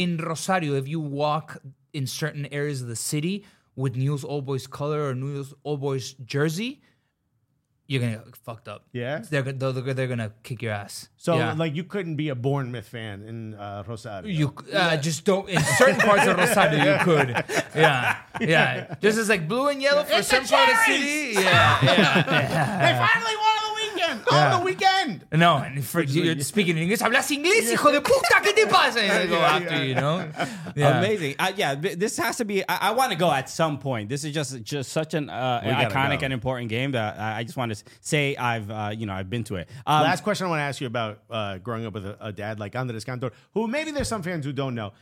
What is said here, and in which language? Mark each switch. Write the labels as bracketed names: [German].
[English] In Rosario, if you walk in certain areas of the city with Newell's Old Boys color or Newell's Old Boys jersey, you're gonna get fucked up. Yeah, they're gonna kick your ass. So yeah. Like you couldn't be a Bournemouth fan in Rosario. You just don't in certain parts of Rosario. You could, yeah. Just as like blue and yellow for some part of the city. Yeah. They finally won. On the weekend. No, and for you speaking in English, [Spanish] hablas inglés, hijo de puta, ¿qué te pasa? [English] And go after you, you know? Yeah. Amazing. This has to be, I want to go at some point. This is just such an iconic and important game that I just want to say I've been to it. Last question I want to ask you about growing up with a dad like Andrés Cantor, who maybe there's some fans who don't know.